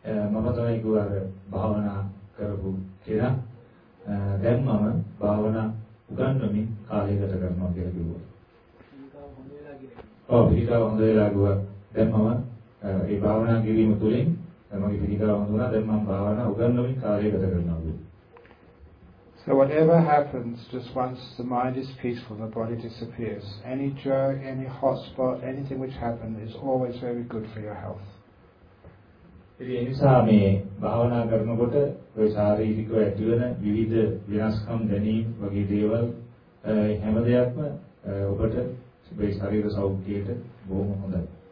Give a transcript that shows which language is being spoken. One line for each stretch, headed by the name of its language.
Sinhala: මම තමයි ගුවර භාවනා කරපු කෙනා. දැන් මම භාවනා උගන්වමින් කාලය ගත කරනවා කියලා කිව්වා. පිළිකාව හොඳ වෙලා ගියා. දැන් මම මේ භාවනා කිරීම තුළින් මගේ පිළිකාව හඳුනා දැන් මම භාවනා උගන්වමින් කාලය ගත කරනවා.
English: So whatever happens, just once the mind is peaceful, the body disappears. Any jerk, any hot spot, anything which happens is always very good for your health.
Sinhala: ඒ නිසා මේ භාවනා කරනකොට ඔය ශාරීරිකව ඇතිවන විවිධ වෙනස්කම් දැනීම් වගේ දේවල් හැම දෙයක්ම ඔබට මේ ශරීර සෞඛ්‍යයට බොහොම හොඳයි.